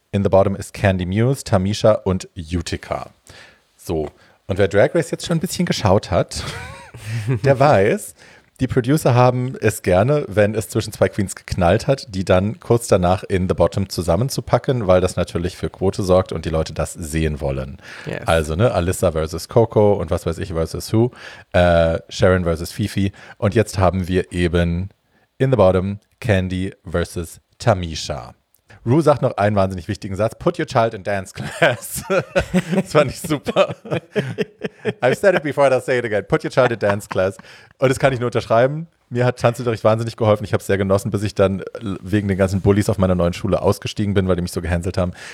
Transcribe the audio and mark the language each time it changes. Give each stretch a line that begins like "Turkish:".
German: In the Bottom ist Candy Muse, Tamisha und Utica. So, und wer Drag Race jetzt schon ein bisschen geschaut hat, der weiß, die Producer haben es gerne, wenn es zwischen zwei Queens geknallt hat, die dann kurz danach in The Bottom zusammenzupacken, weil das natürlich für Quote sorgt und die Leute das sehen wollen.
English: Yes.
German: Also, ne, Alyssa versus Coco und was weiß ich versus who, Sharon versus Fifi. Und jetzt haben wir eben in The Bottom Candy versus Tamisha. Ru sagt noch einen wahnsinnig wichtigen Satz.
English: Put your child in dance class.
German: Das fand ich super.
English: I've said it before, I'll say it again. Put your child in dance class.
German: Und das kann ich nur unterschreiben. Mir hat Tanzunterricht wahnsinnig geholfen. Ich habe es sehr genossen, bis ich dann wegen den ganzen Bullies auf meiner neuen Schule ausgestiegen bin, weil die mich so gehänselt haben.